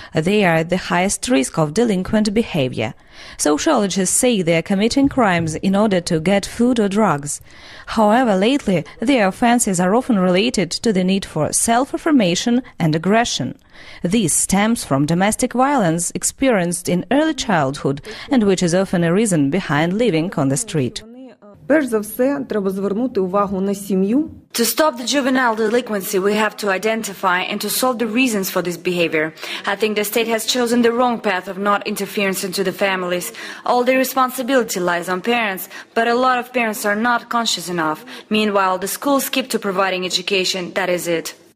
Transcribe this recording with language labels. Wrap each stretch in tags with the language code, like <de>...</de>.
<en>They are at the highest risk of delinquent behavior. Sociologists say they are committing crimes in order to get food or drugs. However, lately, their offenses are often related to the need for self-affirmation and aggression. This stems from domestic violence experienced in early childhood and which is often a reason behind living on the street.</en> <uk>Перш за все, треба звернути увагу на сім'ю.</uk> <en>To stop the juvenile delinquency, we have to identify and to solve the reasons for this behavior. I think the state has chosen the wrong path of not interference into the families. All the responsibility lies on parents, but a lot of parents are not conscious enough. Meanwhile, the schools keep to providing education, that is it.</en>